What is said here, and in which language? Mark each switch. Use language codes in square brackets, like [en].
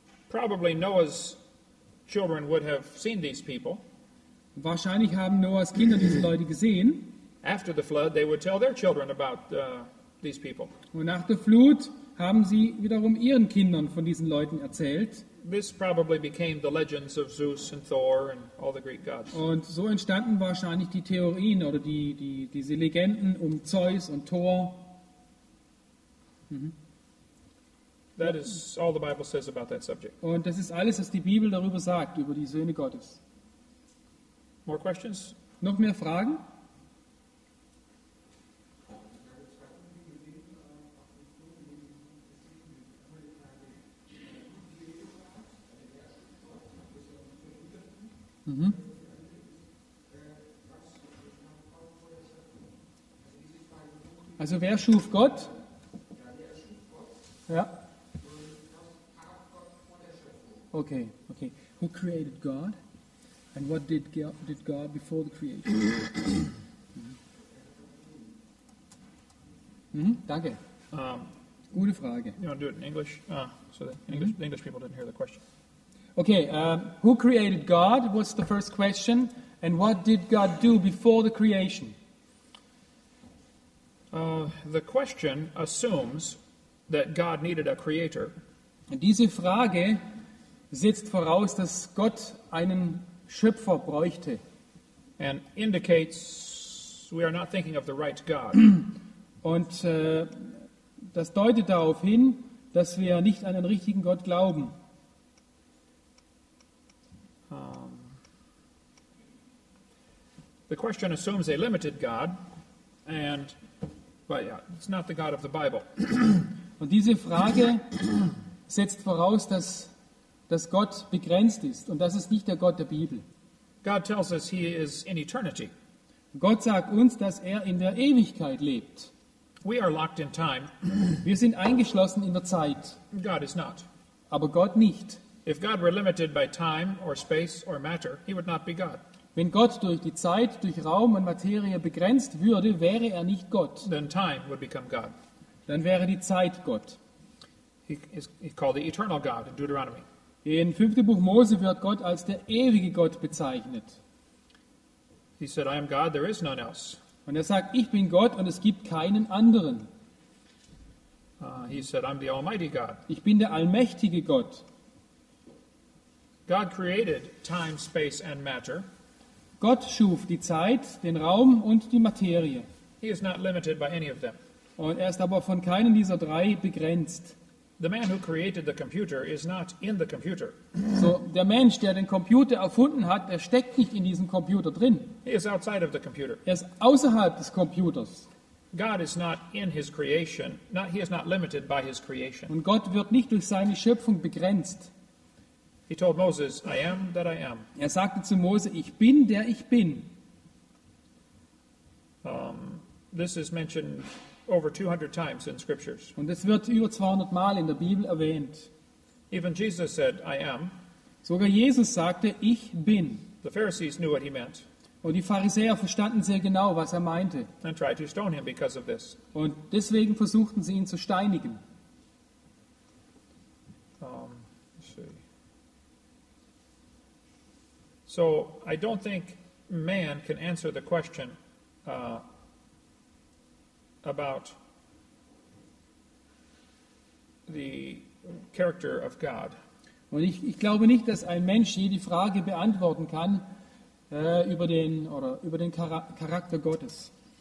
[en] Probably Noah's children would have seen these people. [de] Wahrscheinlich haben Noahs Kinder diese Leute gesehen. [en] After the flood, they would tell their children about these people. [de] Und nach der Flut haben sie wiederum ihren Kindern von diesen Leuten erzählt. [en] This probably became the legends of Zeus and Thor and all the Greek gods. [de] Und so entstanden wahrscheinlich die Theorien oder diese Legenden um Zeus und Thor. [en] That is all the Bible says about that subject. [de] Und das ist alles, was die Bibel darüber sagt, über die Söhne Gottes. [en] More questions? [de] Noch mehr Fragen? Also wer schuf Gott? Ja. [en] Okay, okay. Who created God? And what did God before the creation? [de] Danke. Gute Frage. [en] You want to do it in English? So the English people didn't hear the question. Okay, who created God was the first question. And what did God do before the creation? The question assumes that God needed a creator. [de] Diese Frage setzt voraus, dass Gott einen Schöpfer bräuchte. [en] And indicates we are not thinking of the right God. [de] Und das deutet darauf hin, dass wir nicht an den richtigen Gott glauben. [en] The question assumes a limited God, and but yeah, it's not the God of the Bible. [de] Und diese Frage setzt voraus, dass dass Gott begrenzt ist und das ist nicht der Gott der Bibel. [en] God tells us he is in eternity. [de] Gott sagt uns, dass in der Ewigkeit lebt. [en] We are locked in time. [de] Wir sind eingeschlossen in der Zeit. [en] God is not. [de] Aber Gott nicht. [en] If God were limited by time or space or matter, he would not be God. [de] Wenn Gott durch die Zeit, durch Raum und Materie begrenzt würde, wäre nicht Gott. [en] Then time would become God. [de] Dann wäre die Zeit Gott. [en] He's called the eternal God in Deuteronomy. [de] In 5. Buch Mose wird Gott als der ewige Gott bezeichnet. [en] He said, I am God, there is none else. [de] Und sagt, ich bin Gott und es gibt keinen anderen. [en] He said, I'm the almighty God. [de] Ich bin der allmächtige Gott. [en] God created time, space and matter. [de] Gott schuf die Zeit, den Raum und die Materie. [en] He is not limited by any of them. [de] Und ist aber von keinen dieser drei begrenzt. [en] The man who created the computer is not in the computer. [de] So, der Mensch, der den Computer erfunden hat, der steckt nicht in diesem Computer drin. [en] He is outside of the computer. [de] Ist außerhalb des Computers. [en] God is not in his creation. He is not limited by his creation. [de] Und Gott wird nicht durch seine Schöpfung begrenzt. [en] He told Moses, I am that I am. [de] Sagte zu Mose, ich bin der ich bin. [en] This is mentioned over 200 times in scriptures. [de] Und es wird über 200 Mal in der Bibel erwähnt. [en] Even Jesus said, I am. [de] Sogar Jesus sagte, ich bin. [en] The Pharisees knew what he meant. [de] Und die Pharisäer verstanden sehr genau, was meinte. [en] And tried to stone him because of this. [de] Und deswegen versuchten sie ihn zu steinigen. [en] So I don't think man can answer the question about the character of God. [de] Und ich glaube nicht, dass ein Mensch je die Frage beantworten kann über den Charakter Gottes.